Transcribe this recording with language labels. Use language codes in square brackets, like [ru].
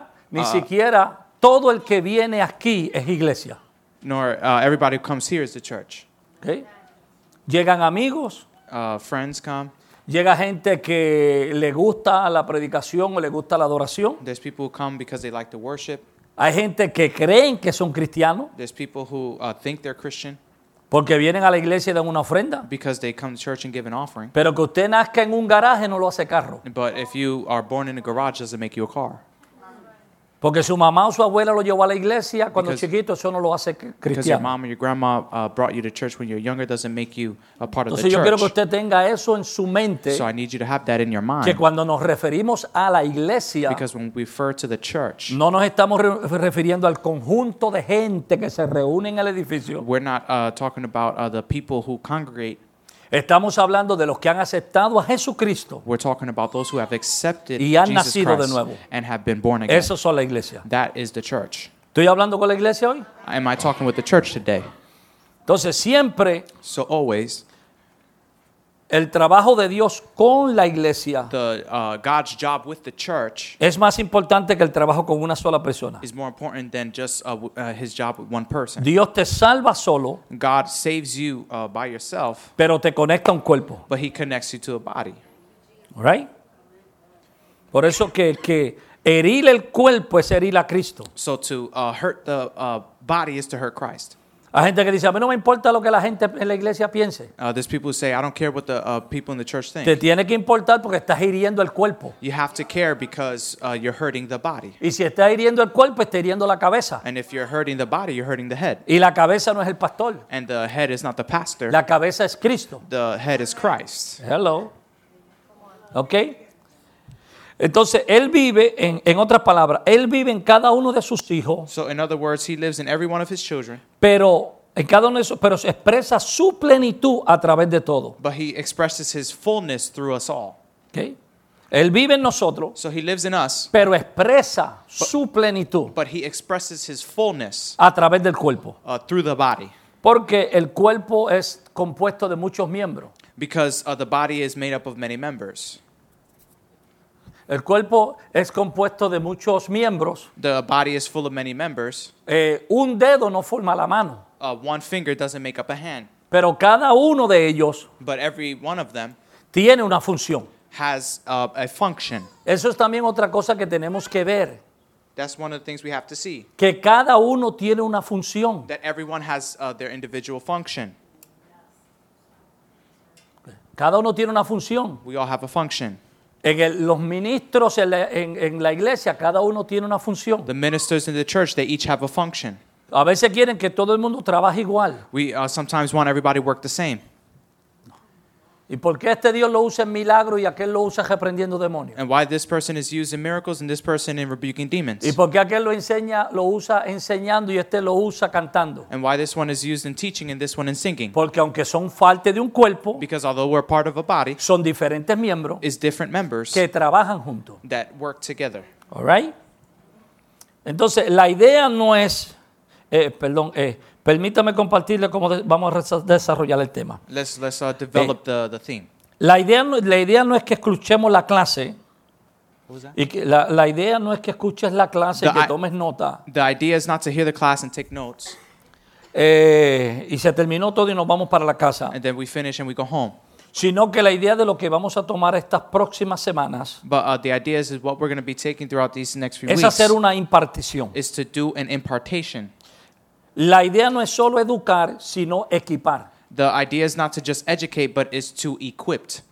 [es] Ni siquiera todo el que viene aquí es iglesia. [en] Nor everybody who comes here is the church. [es] Okay. Llegan amigos. [en] Friends come. [es] Llega gente que le gusta la predicación o le gusta la adoración. [en] There's people who come because they like to worship. [es] Hay gente que creen que son cristianos. [en] There's people who think they're Christian. [es] Porque vienen a la iglesia y dan una ofrenda. [en] Because they come to church and give an offering. [es] Pero que usted nazca en un garaje no lo hace carro. [en] But if you are born in a garage, doesn't make you a car. [es] Porque su mamá o su abuela lo llevó a la iglesia cuando [en] because, [es] chiquito, eso no lo hace cristiano. [en] Because your mom or your grandma brought you to church when you're younger doesn't make you a part [es] entonces, [en] of the church. [es] Entonces yo quiero que usted tenga eso en su mente. [en] So I need you to have that in your mind. [es] Que cuando nos referimos a la iglesia. [en] Because when we refer to the church. [es] No nos estamos refiriendo al conjunto de gente que se reúne en el edificio. [en] We're not talking about the people who congregate. [es] Estamos hablando de los que han aceptado a Jesucristo. [en] We're talking about those who have accepted [es] y han [en] Jesus [es] nacido [en] Christ [es] de nuevo. [en] And have been born again. [es] Esos son la iglesia. [en] That is the church. [es] ¿Estoy hablando con la iglesia hoy? [en] Am I talking with the church today? [es] Entonces siempre. [en] So always. [es] El trabajo de Dios con la iglesia. [en] The God's job with the church. [es] Es más importante que el trabajo con una sola persona. [en] Is more important than just his job with one person. [es] Dios te salva solo. [en] God saves you by yourself. [es] Pero te conecta un cuerpo. [en] But he connects you to a body. All right? [es] Por eso que herir el cuerpo es herir a Cristo. [en] So to hurt the body is to hurt Christ. [es] Hay gente que dice, a mí no me importa lo que la gente en la iglesia piense. [en] There's people who say, I don't care what the people in the church think. [es] Te tiene que importar porque estás hiriendo el cuerpo. [en] You have to care because you're hurting the body. [es] Y si estás hiriendo el cuerpo, estás hiriendo la cabeza. [en] And if you're hurting the body, you're hurting the head. [es] Y la cabeza no es el pastor. [en] And the head is not the pastor. [es] La cabeza es Cristo. [en] The head is Christ. Hello. Okay. [es] Entonces, Él vive, en otras palabras, Él vive en cada uno de sus hijos. [en] So, in other words, He lives in every one of His children. [es] Pero, en cada uno de esos, pero se expresa su plenitud a través de todo. [en] But He expresses His fullness through us all. [es] Okay. Él vive en nosotros. [en] So, He lives in us. [es] Pero expresa su plenitud. [en] But He expresses His fullness. [es] A través del cuerpo. [en] Through the body. [es] Porque el cuerpo es compuesto de muchos miembros. [en] Because the body is made up of many members. [es] El cuerpo es compuesto de muchos miembros. [en] The body is full of many members. [es] Un dedo no forma la mano. [en] One finger doesn't make up a hand. [es] Pero cada uno de ellos, [en] but every one of them, [es] tiene una función. [en] Has a function. [es] Eso es también otra cosa que tenemos que ver. [en] That's one of the things we have to see. [es] Que cada uno tiene una función. [en] That everyone has their individual function. [es] Cada uno tiene una función. [en] We all have a function. [es] En el, los ministros en la iglesia, cada uno tiene una función. [en] The ministers in the church, they each have a function. [es] A veces quieren que todo el mundo trabaje igual. [en] We sometimes want everybody to work the same. [es] ¿Y por qué este Dios lo usa en milagros y aquel lo usa reprendiendo demonios? [en] And why this person is using miracles and this person in rebuking demons? [es] ¿Y por qué aquel lo enseña, lo usa enseñando y este lo usa cantando? [en] And why this one is used in teaching and this one in singing? [es] Porque aunque son parte de un cuerpo, [en] because although we're part of a body, [es] son diferentes miembros, [en] is different members [es] que trabajan juntos, [en] that work together. All right? [es] Entonces, la idea no es, perdón, permítame compartirle cómo vamos a desarrollar el tema. [en] Let's develop the theme. [es] La idea no es que escuchemos la clase. Y que, la idea no es que escuches la clase y que tomes nota. [en] The idea is not to hear the class and take notes. [es] Y se terminó todo y nos vamos para la casa. [en] And then we finish and we go home. [es] Sino que la idea de lo que vamos a tomar estas próximas semanas. [en] But the idea is what we're going to be taking throughout these next few [es] es [en] weeks. [es] Es hacer una impartición. [en] Is to do an impartation. [es] La idea no es solo educar, sino equipar. [en] The idea is not to just educate, but is to equip.